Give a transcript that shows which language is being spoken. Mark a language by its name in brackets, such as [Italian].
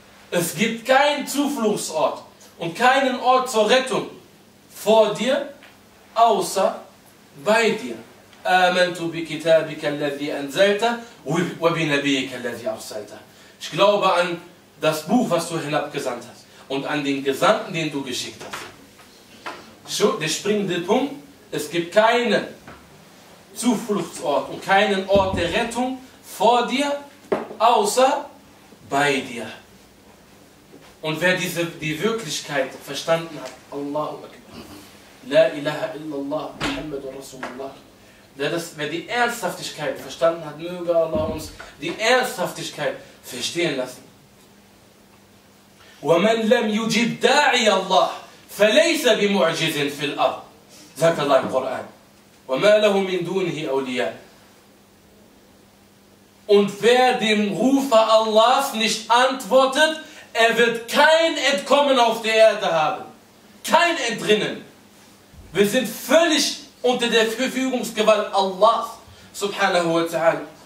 [German] Es gibt keinen Zufluchtsort und keinen Ort zur Rettung vor dir außer bei dir. [Arabic] آمنت بكتابك الذي أنزلت وبنبيك الذي أرسلت. [German] Ich glaube an das Buch, was du hinabgesandt hast. Und an den Gesandten, den du geschickt hast. Der springende Punkt, es gibt keinen Zufluchtsort und keinen Ort der Rettung vor dir, außer bei dir. Und wer die Wirklichkeit verstanden hat, [Arabic] Allahu Akbar, La ilaha illallah, Muhammadur Rasulullah, [German] wer die Ernsthaftigkeit verstanden hat, möge Allah uns die Ernsthaftigkeit verstehen lassen. [Arabic] وَمَنْ لَمْ يُجِبْ دَاعِيَ اللَّهِ فَلَيْسَ بِمُعْجِزٍ فِي الْأَرْضِ [German] sagt Allah im Koran. [Arabic] وَمَا لَهُ مِنْ دُونِهِ أَوْلِيَا. [German] Und wer dem Rufer Allahs nicht antwortet, er wird kein Entkommen auf der Erde haben. Kein Entrinnen. Wir sind völlig unter der Verfügungsgewalt Allahs, [Arabic] subhanahu wa ta'ala.